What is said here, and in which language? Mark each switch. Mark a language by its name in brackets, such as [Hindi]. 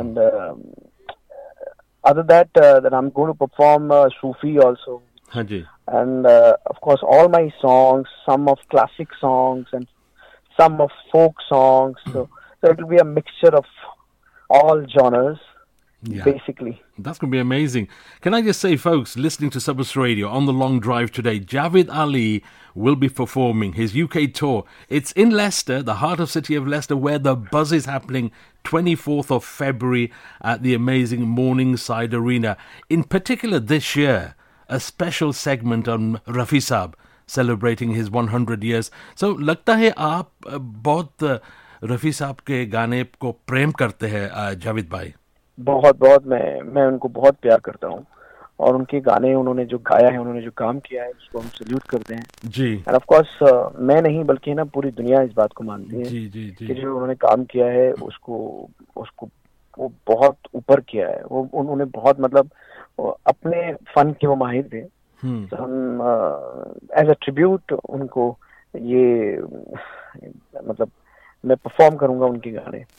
[English] And other that that I am going to perform Sufi also. [Hindi] हाँ जी [English] And of course all my songs some of classic songs and some of folk songs. So it will be a mixture of all genres Yeah. basically. That's going to be amazing. Can I just say, folks, listening to Subus Radio on the long drive today, Javed Ali will be performing his UK tour. It's in Leicester, the heart of city of Leicester, where the buzz is happening 24th of February at the amazing Morningside Arena. In particular, this year, a special segment on Rafi Saab celebrating his 100 years. [Hindi] So, lagta hai aap bahut Rafi Saab ke gaane ko prem karte hai, Javed bhai. बहुत बहुत मैं उनको बहुत प्यार करता हूँ और उनके गाने उन्होंने जो गाया है उन्होंने जो काम किया है उसको हम सल्यूट करते हैं. जी [English] and of course [Hindi] मैं नहीं बल्कि ना पूरी दुनिया इस बात को मानती है जी, जी, जी. कि जो उन्होंने काम किया है उसको उसको वो बहुत ऊपर किया है. वो उन्होंने बहुत मतलब अपने फन के वो माहिर थे. तो हम [English] as a tribute [Hindi] उनको ये मतलब मैं परफॉर्म करूंगा उनके गाने.